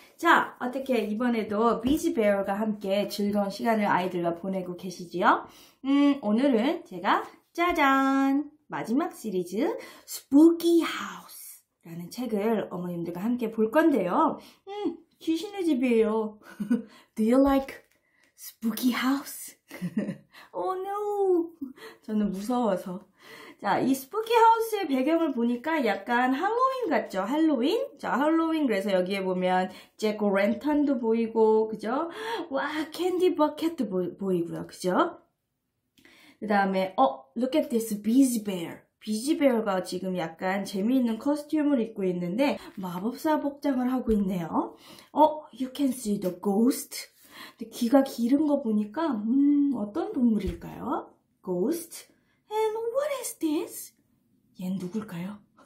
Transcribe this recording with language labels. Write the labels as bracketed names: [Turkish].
[Korean] 자, 어떻게 이번에도 비지 베어가 함께 즐거운 시간을 아이들과 보내고 계시지요? 오늘은 제가 짜잔! 마지막 시리즈 Spooky House라는 책을 어머님들과 함께 볼 건데요. 귀신의 집이에요. [English] Do you like Spooky House? Oh no! [Korean] 저는 무서워서. 자, 이 스푸키 하우스의 배경을 보니까 약간 할로윈 같죠? 할로윈? 자, 할로윈. 그래서 여기에 보면 제코 랜턴도 보이고, 그죠? 와, 캔디 버켓도 보이고요. 그죠? 그 다음에, [English] look at this busy bear. [Korean] 비지베어가 지금 약간 재미있는 코스튬을 입고 있는데, 마법사 복장을 하고 있네요. [English] You can see the ghost. [Korean] 근데 귀가 기른 거 보니까 어떤 동물일까요? [English] Ghost. And what is this? [Korean] 얘는 누굴까요?